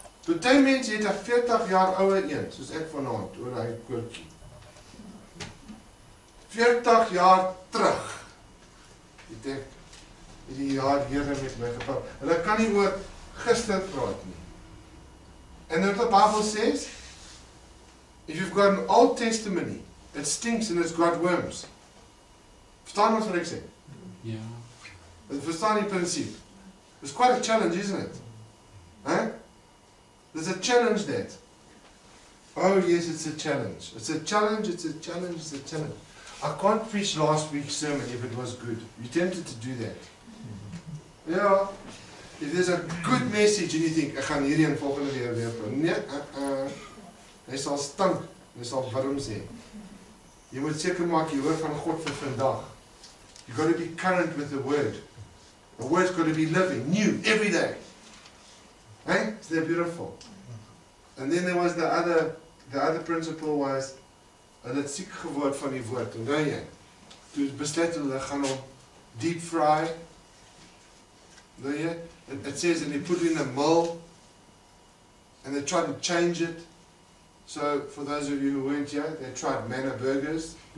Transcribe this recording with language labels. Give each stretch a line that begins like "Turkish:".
Afrikaans: So ten mens het 'n 40 jaar ouwe een, soos ek vanavond, oor hy koortjie. 40 jaar terug, het ek die jaar Here met my gepraat. Hulle kan nie oor gister praat nie. En wat die Bybel sê,
English: if you've got an old testimony, it stinks and it's got worms.
Afrikaans: Verstaan wat ek sê? Ja. Verstaan die prinsip?
English: It's quite a challenge, isn't it? There's a challenge that. Oh yes, it's a challenge. It's a challenge. I can't preach last week's sermon if it was good. You're tempted to do that. Mm-hmm. Yeah. If there's a good message and you think,
Afrikaans: ek gaan hierdie een volgende week weer doen. Nee, hy sal stink. Hy sal warm sê. Jy moet seker maak jy hoor van God vir vandag.
English: You got to be current with the word. The word's got to be living, new, every day. Hey, isn't that beautiful? And then there was the other principle was,
Afrikaans: hulle het siek geword van die woord, en dan jy, toe besluit hulle gaan om
English: deep fry, dan jy, it says, and they put it in a mill, and they tried to change it, so for those of you who weren't here, they tried manna burgers,